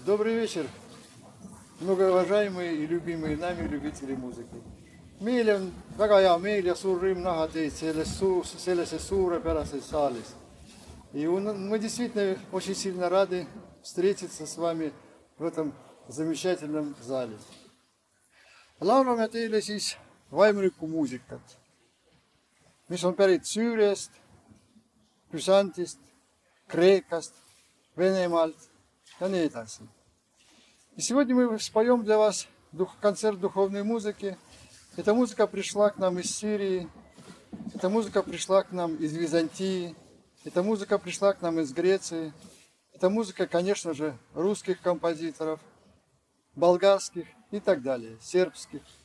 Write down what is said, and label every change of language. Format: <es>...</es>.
<ru>Добрый вечер, многоуважаемые и любимые нами любители музыки.</ru> <et>Meilen väga hea meel ja suur rõõm näha teid sellesse suurepärases saalis.</et> <ru>И мы действительно очень сильно рады встретиться с вами в этом замечательном зале.</ru> <et>Laulame teile siis vaimulikku muusikat, mis on pärit Süüriast, Byzantist, Kreekast, Venemaalt ja nii edasi.</et> <ru>И сегодня мы споем для вас концерт духовной музыки. Эта музыка пришла к нам из Сирии, эта музыка пришла к нам из Византии, эта музыка пришла к нам из Греции, эта музыка, конечно же, русских композиторов, болгарских и так далее, сербских.</ru>